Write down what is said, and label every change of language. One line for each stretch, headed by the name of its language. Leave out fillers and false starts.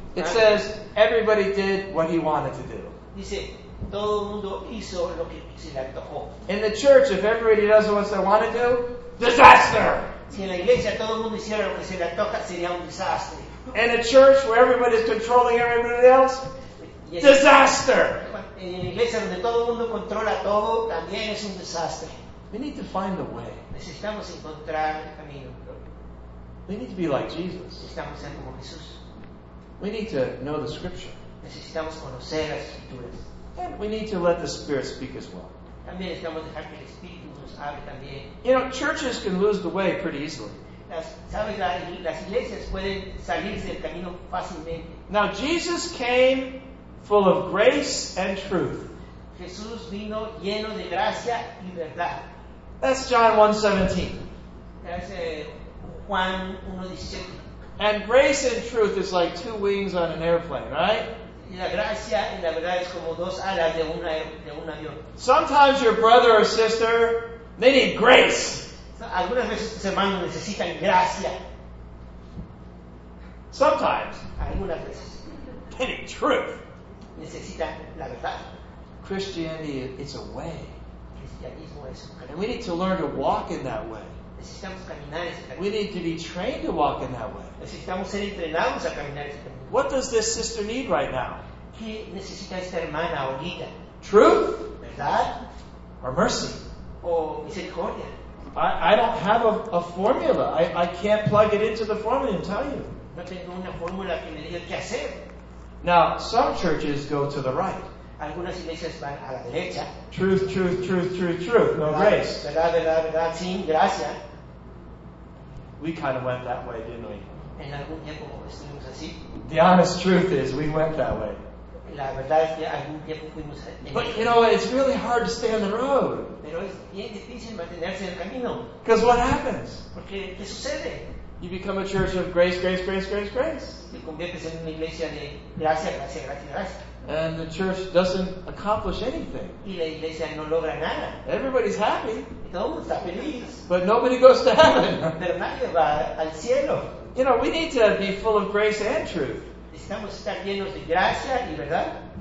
English: It says everybody did what he wanted to do.
Spanish: Dice, todo el mundo hizo lo que se le antojó.
English: In the church, if everybody does what they want to do, disaster.
Spanish: Si en la iglesia todo el mundo hiciera lo que se le antoja, sería un desastre.
English: In a church where everybody is controlling everybody else, disaster.
Spanish: En la iglesia donde todo el mundo controla todo, también es un desastre.
English: We need to find a way.
Spanish: Necesitamos encontrar el camino.
English: We need to be like Jesus.
Spanish: Necesitamos ser como Jesús.
English: We need to know the scripture.
Spanish: Necesitamos conocer las escrituras.
English: And we need to let the Spirit speak as well.
Spanish: También necesitamos dejar que el Espíritu nos hable también.
English: You know, churches can lose the way pretty easily.
Spanish: Las iglesias pueden salirse del camino fácilmente.
English: Now Jesus came full of grace and truth.
Spanish: Jesús vino lleno de gracia y verdad.
English: That's John 1:17. That's
Spanish: Juan 1:17.
English: And grace and truth is like two wings on an airplane, right?
Spanish: La gracia y la verdad es como dos alas de un avión.
English: Sometimes your brother or sister, they need grace.
Spanish: Algunas veces tus hermanos necesitan gracia.
English: Sometimes.
Spanish: Algunas veces.
English: They need truth.
Spanish: Necesitan la verdad.
English: Christianity, it's a way.
Spanish: Cristianismo es un camino.
English: And we need to learn to walk in that way.
Spanish: Necesitamos caminar ese camino.
English: We need to be trained to walk in that way.
Spanish: Necesitamos ser entrenados a caminar ese camino.
English: What does this sister need right now?
Spanish: ¿Qué necesita esta hermana ahorita?
English: Truth?
Spanish: ¿Verdad?
English: Or mercy?
Spanish: ¿O misericordia?
English: I don't have a formula. I can't plug it into the formula and tell you.
Spanish: No tengo una fórmula que me diga qué hacer.
English: Now, some churches go to the right.
Spanish: Algunas iglesias van a la derecha.
English: Truth, truth, truth, truth, truth. No grace.
Spanish: Verdad, verdad, verdad, sin gracia.
English: We kind of went that way, didn't we?
Spanish: En algún tiempo estuvimos así.
English: The honest truth is, we went that way.
Spanish: La verdad es que algún tiempo fuimos así.
English: But you know, it's really hard to stay on the road.
Spanish: Pero es bien difícil mantenerse en el camino.
English: Because what happens?
Spanish: Porque qué sucede?
English: You become a church of grace, grace, grace, grace, grace.
Spanish: Te conviertes en una iglesia de gracia, gracia, gracia, gracia.
English: And the church doesn't accomplish anything.
Spanish: Y la iglesia no logra nada.
English: Everybody's happy.
Spanish: Todo mundo está feliz.
English: But nobody goes to heaven.
Spanish: Pero nadie va al cielo.
English: You know, we need to be full of grace and truth.
Spanish: Necesitamos estar llenos de gracia y verdad.